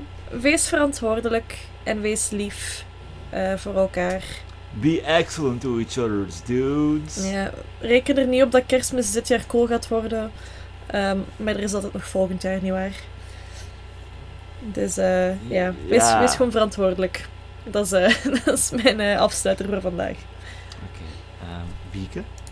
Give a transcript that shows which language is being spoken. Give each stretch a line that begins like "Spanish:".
Dutch: Wees verantwoordelijk en wees lief voor elkaar.
English: Be excellent to each other, dudes.
Dutch: Ja, reken er niet op dat Kerstmis dit jaar cool gaat worden. Maar er is altijd nog volgend jaar, niet waar? Dus wees gewoon verantwoordelijk. Dat is mijn afsluiter voor vandaag. Oké. Wieke?